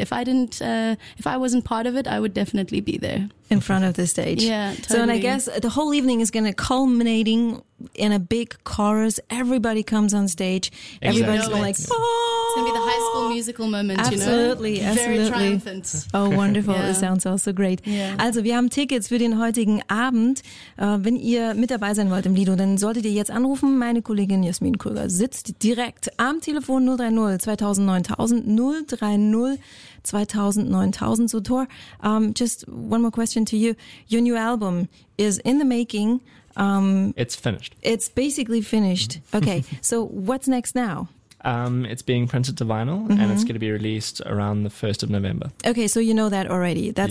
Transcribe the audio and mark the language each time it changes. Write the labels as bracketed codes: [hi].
[en] If I didn't, if I wasn't part of it, I would definitely be there. In front of the stage. Yeah, totally. So, and I guess the whole evening is going to culminating in a big chorus. Everybody comes on stage. Exactly. Everybody's going like, oh! It's going to be the High School Musical moment, absolutely, you know? Absolutely. Very triumphant. Oh, wonderful. Yeah. It sounds also great. Yeah. [de] Also, wir haben Tickets für den heutigen Abend. Wenn ihr mit dabei sein wollt im Lido, dann solltet ihr jetzt anrufen. Meine Kollegin Jasmin Krüger sitzt direkt am Telefon 030-2009000. [en] So, Tor, just one more question to you. Your new album is in the making. It's finished. It's basically finished. Okay, so what's next now? It's being printed to vinyl, mm-hmm. and it's going to be released around the 1st of November. Okay, so you know that already. That's